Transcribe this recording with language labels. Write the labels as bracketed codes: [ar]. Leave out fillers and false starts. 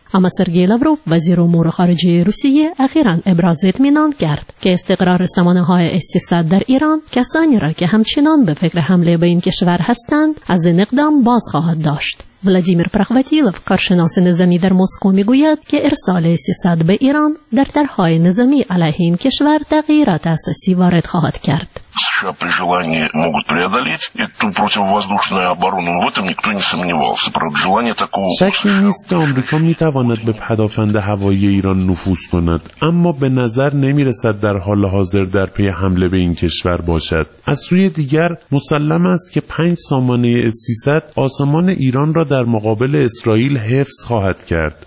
[fa] اما سرگی لاوروف، وزیر امور خارجه روسیه، اخیراً ابراز اطمینان کرد که استقرار سامانه‌های S-300 در ایران کسانی را که همچنان به فکر حمله به این کشور هستند از این اقدام باز خواهد داشت. ولادیمیر پرخواتیلوف، کارشناس نظامی در مسکو میگوید که ارسال 300 به ایران در طرح‌های نظامی علیه این کشور تغییرات اساسی وارد خواهد کرد. [ru] США при желании могут преодолеть эту противовоздушную оборону, но в этом никто не сомневался. Правда, желание такого США... [fa] نیست که آمریکا میتواند به پدافند هوایی ایران نفوذ کند، اما به نظر نمیرسد در حال حاضر در پی حمله به این کشور باشد. از سوی دیگر مسلم است که 5 سامانه S-300 آسمان ایران را در مقابل اسرائیل حفظ خواهد کرد.